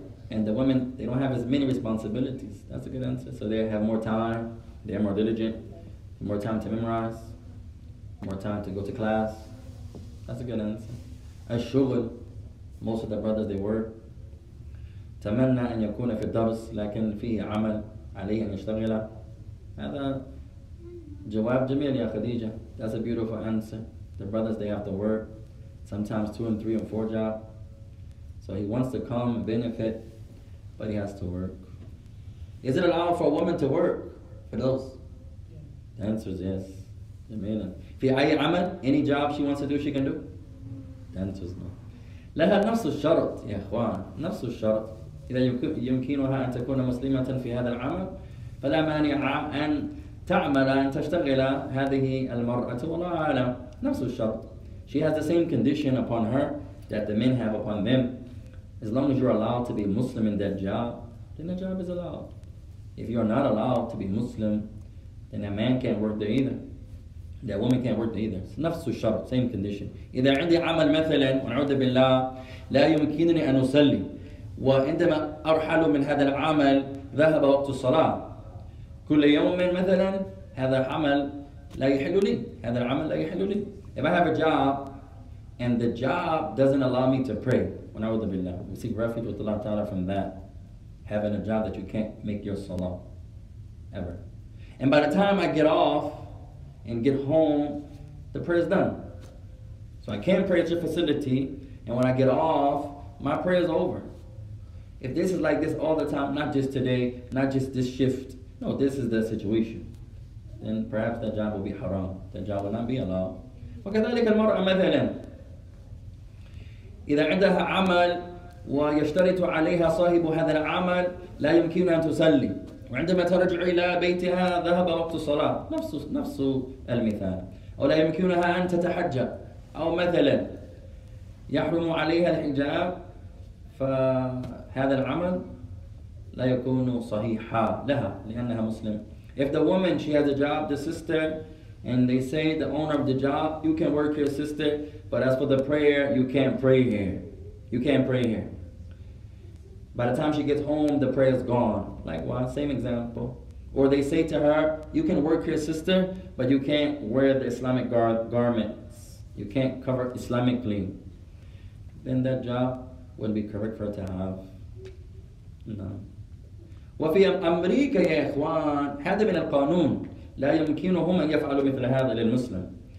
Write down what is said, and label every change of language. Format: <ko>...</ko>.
<en>And the women, they don't have as many responsibilities. That's a good answer. So they have more time. They are more diligent. More time to memorize. More time to go to class. That's a good answer. Ash-shughl, most of the brothers they work.</en> <ar>تمنى أن يكون في الدرس لكن فيه عمل عليه أن يشتغل. هذا جواب جميل يا خديجة.</ar> <en>That's a beautiful answer. The brothers they have to work, sometimes 2 and 3 and 4 jobs. So he wants to come benefit, but he has to work. Is it allowed for a woman to work for those? Yeah. The answer is yes. جميلة.</en> <ar>في أي عمل,</ar> <en>any job she wants to do, she can do? The answer is no.</en> <ar>لها نفس الشرط يا إخوان, نفس الشرط. إذا يمكنها أن تكون مسلمة في هذا العمل, فلا مانع أن تعمل أن تشتغل هذه المرأة والله أعلم. نفس الشرط.</ar> <en>She has the same condition upon her that the men have upon them. As long as you're allowed to be Muslim in that job, then the job is allowed. If you're not allowed to be Muslim, then a man can't work there either. That woman can't work either. It's</en> <ar>نفس الشرط,</ar> <en>same condition.</en> <ar>إذا عندي عمل مثلا ونعوذ بالله لا يمكنني أن أصلي وعندما أرحل من هذا العمل ذهب وقت الصلاة كل يوم مثلا هذا العمل لا يحل لي هذا العمل لا يحل لي.</ar> <en>If I have a job and the job doesn't allow me to pray</en> <ar>ونعوذ بالله,</ar> <en>we seek refuge with Allah Ta'ala from that, having a job that you can't make your salah ever, and by the time I get off and get home, the prayer's done. So I can't pray at your facility, and when I get off, my prayer's over. If this is like this all the time, not just today, not just this shift, no, this is the situation, then perhaps that job will be haram. That job will not be allowed.</en> <ar>وكذلك المرأة مثلا إذا عندها عمل ويشترط عليها صاحب هذا العمل لا يمكن أن تصلي وعندما ترجع إلى بيتها ذهب وقت الصلاة نفس المثال أو لا يمكنها أن تتحجب أو مثلا يحرم عليها الحجاب فهذا العمل لا يكون صحيحا لها لأنها مسلم.</ar> <en>If the woman, she has a job, the sister, and they say, the owner of the job, you can work here, sister, but as for the prayer, you can't pray here. You can't pray here. By the time she gets home, the prayer is gone. Likewise, same example. Or they say to her, you can work here, sister, but you can't wear the Islamic garments. You can't cover Islamically. Then that job wouldn't be correct for her to have. No.</en> <ar>وفي أمريكا يا إخوان هذا من القانون لا يمكنهم أن يفعلوا مثل هذا للمسلم.</ar>